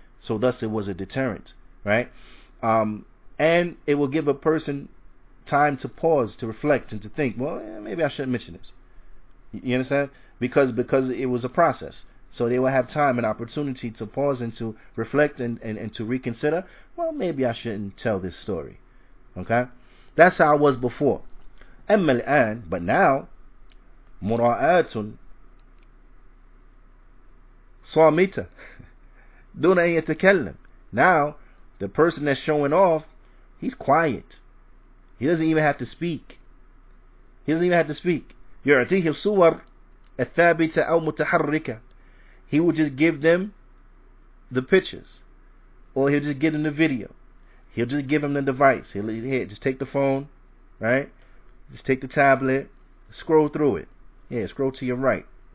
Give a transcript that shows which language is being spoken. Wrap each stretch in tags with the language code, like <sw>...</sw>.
<en>So thus it was a deterrent, right? And it will give a person time to pause, to reflect, and to think, maybe I shouldn't mention this. You understand? Because it was a process. So they will have time and opportunity to pause and to reflect and to reconsider. Maybe I shouldn't tell this story. Okay? That's how I was before.</en> <ar>أما الآن,</ar> <en>but now,</en> <ar>مراعاة صامتة دون أن يتكلم.</ar> <en>Now, the person that's showing off, he's quiet. He doesn't even have to speak. He doesn't even have to speak.</en> <ar>يُعْتِيهِ الصُّوَرْ الثَّابِتَ أَوْ مُتَحَرِّكَ,</ar> <en>he will just give them the pictures. Or he'll just give them the video. He'll just give them the device. Here, just take the phone, right? Just take the tablet. Scroll through it. Yeah, scroll to your right.</en>